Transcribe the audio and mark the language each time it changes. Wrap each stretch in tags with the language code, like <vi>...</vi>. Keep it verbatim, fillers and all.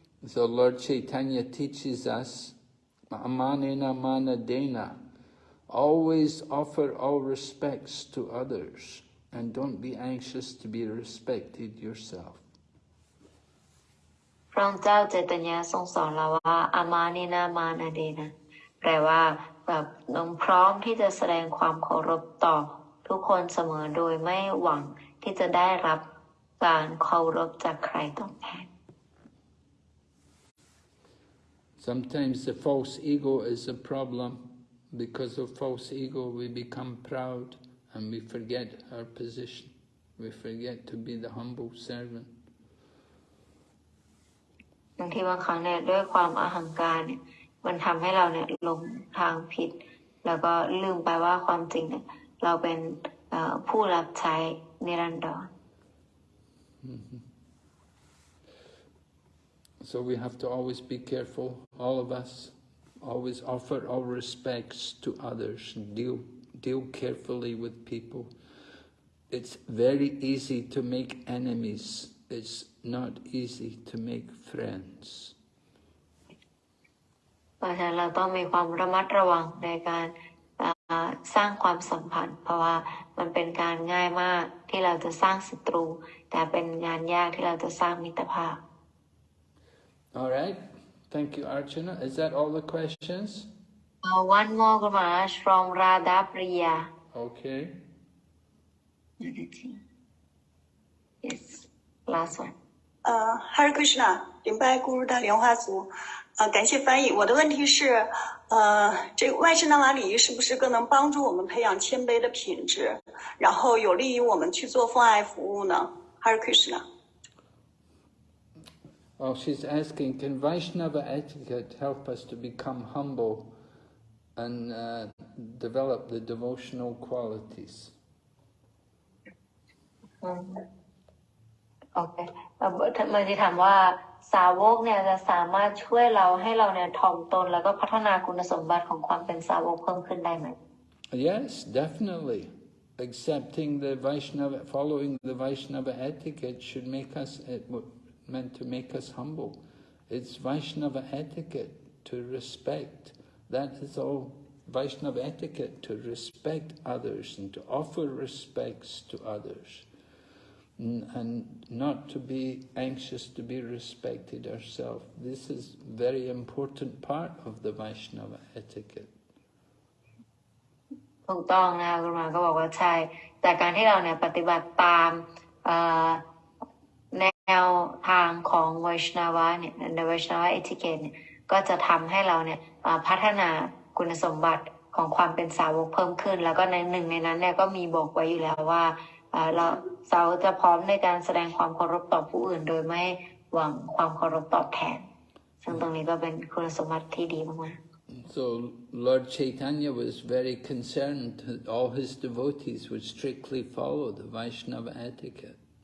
<en>So Lord Chaitanya teaches us, Amanena Manadena, always offer all respects to others and don't be anxious to be respected yourself.</en> <th>พระองค์เจ้าเจตญาทรงสอนเราว่า Amanena Manadena แปลว่าแบบต้องพร้อมที่จะแสดงความเคารพต่อทุกคนเสมอโดยไม่หวังที่จะได้รับการเคารพจากใครตอบแทน</th> <en>Sometimes the false ego is a problem. Because of false ego, we become proud and we forget our position. We forget to be the humble servant.</en> <th>บางทีบางครั้งเนี่ยด้วยความอหังการเนี่ยมันทำให้เราเนี่ยหลงทางผิดแล้วก็ลืมไปว่าความจริงเนี่ยเราเป็นผู้รับใช้นิรันดร</th> <en>So we have to always be careful, all of us, always offer all respects to others, deal, deal carefully with people. It's very easy to make enemies. It's not easy to make friends.</en> <th>เพราะฉะนั้นเราต้องมีความระมัดระวังในการสร้างความสัมพันธ์เพราะว่ามันเป็นการง่ายมากที่เราจะสร้างศัตรูแต่เป็นงานยากที่เราจะสร้างมิตรภาพ</th> <en>All right. Thank you, Archana. Is that all the questions? Uh, one more, Gurmaharaj, from Radha Priya. Okay. Yes. Last one.</en> <zh>Uh, Hare Krishna. 灵拜咕噜大莲花足。呃，感谢翻译。我的问题是，呃，这个外事那瓦礼仪是不是更能帮助我们培养谦卑的品质，然后有利于我们去做奉爱服务呢 ？Hare Krishna.</zh> <en>Oh, she's asking, can Vaishnava etiquette help us to become humble and uh, develop the devotional qualities? Mm. Okay.</en> <th>มันจะถามว่าสาวกเนี่ยจะสามารถช่วยเราให้เราเนี่ยถ่อมตนแล้วก็พัฒนาคุณสมบัติของความเป็นสาวกเพิ่มขึ้นได้ไหม</th> <en>Yes, definitely. Accepting the Vaishnava, following the Vaishnava etiquette should make us meant to make us humble. It's Vaishnava etiquette to respect. That is all Vaishnava etiquette, to respect others and to offer respects to others and, and not to be anxious to be respected ourselves. This is a very important part of the Vaishnava etiquette.</en> <th>ถูกต้องนะคุณหมอก็บอกว่าใช่แต่การที่เราเนี่ยปฏิบัติตามเอ่อแนวทางของไวชนาวะเนี่ยในไวชนาวะเอทิเกตเนี่ยก็จะทำให้เราเนี่ยพัฒนาคุณสมบัติของความเป็นสาวกเพิ่มขึ้นแล้วก็ในหนึ่งในนั้นเนี่ยก็มีบอกไว้อยู่แล้วว่า เราเราจะพร้อมในการแสดงความเคารพต่อผู้อื่นโดยไม่หวังความเคารพตอบแทนซึ่งตรงนี้ก็เป็นคุณสมบัติที่ดีมาก</th> <en>ๆ So Lord Chaitanya was very concerned that all his devotees would strictly follow the Vaishnava etiquette.</en>